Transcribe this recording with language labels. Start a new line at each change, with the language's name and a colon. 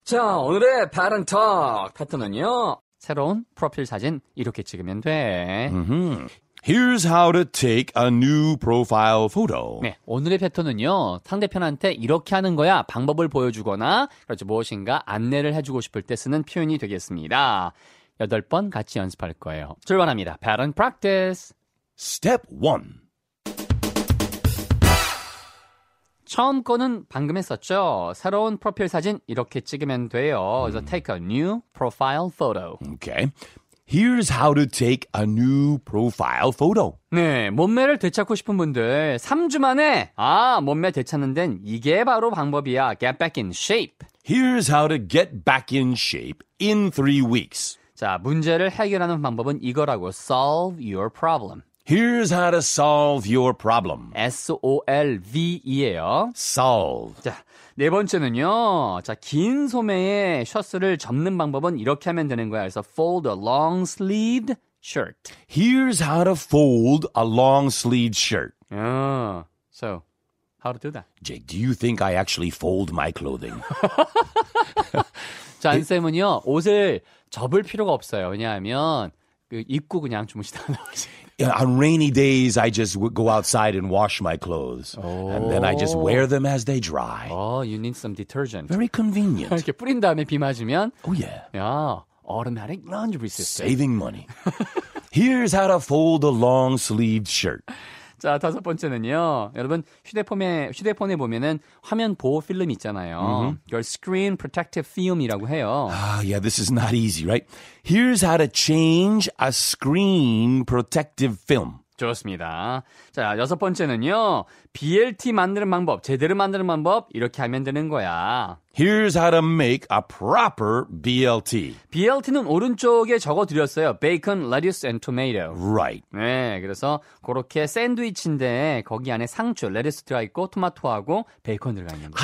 Korean: 자, 오늘의 Pattern Talk 패턴은요. 새로운 프로필 사진 이렇게 찍으면 돼.
English: Here's how to take a new profile photo.
Korean: 네, 오늘의 패턴은요. 상대편한테 이렇게 하는 거야 방법을 보여주거나 그렇지 무엇인가 안내를 해주고 싶을 때 쓰는 표현이 되겠습니다. 8번 같이 연습할 거예요. 출발합니다.
English: Pattern Practice.
Korean: Step 1. 처음 거는 방금 했었죠. 새로운 프로필 사진 이렇게 찍으면 돼요.
English: So take a new profile photo. Okay. Here's how to take a new profile photo.
Korean: 네, 몸매를 되찾고 싶은 분들 3주 만에 아, 몸매 되찾는 데는 이게 바로 방법이야.
English: Get back in shape. Here's how to get back in shape in 3 weeks.
Korean: 자, 문제를 해결하는 방법은 이거라고.
English: Solve your problem. Here's how to solve your problem.
Korean: S-O-L-V-E예요.
English: Solve.
Korean: 자, 네 번째는요. 자, 긴 소매에 셔츠를 접는 방법은 이렇게 하면 되는 거야. 그래서
English: fold a long-sleeved shirt. Here's how to fold a long-sleeved shirt. So, how to do that? Jake, do you think I actually fold my clothing?
Korean: 자, 안쌤은요. 옷을 접을 필요가 없어요. 왜냐하면 그 입고 그냥 주무시다 나오시.
English: Yeah, on rainy days, I just go outside and wash my clothes. And then I just wear them as they dry. Oh, you need some detergent. Very convenient.
Korean: 이렇게 뿌린 다음에 비 맞으면.
English: Oh, yeah. Yeah, automatic laundry system. Saving money. Here's how to fold a long-sleeved shirt. 자, 다섯 번째는요.
Korean: 여러분, 휴대폰에 보면은 화면 보호 필름 있잖아요.
English: Your screen protective film
Korean: 이라고 해요.
English: Yeah, this is not easy, right? Here's how to change a screen protective film.
Korean: 좋습니다. 자, 여섯 번째는요. BLT 만드는 방법, 제대로 만드는 방법 이렇게 하면 되는 거야. Here's how to make a proper BLT. BLT는 오른쪽에 적어드렸어요.
English: Bacon, lettuce, and tomato. Right.
Korean: 네, 그래서 그렇게 샌드위치인데 거기 안에 상추, 레디스 들어있고 토마토하고 베이컨 들어가 있는 거.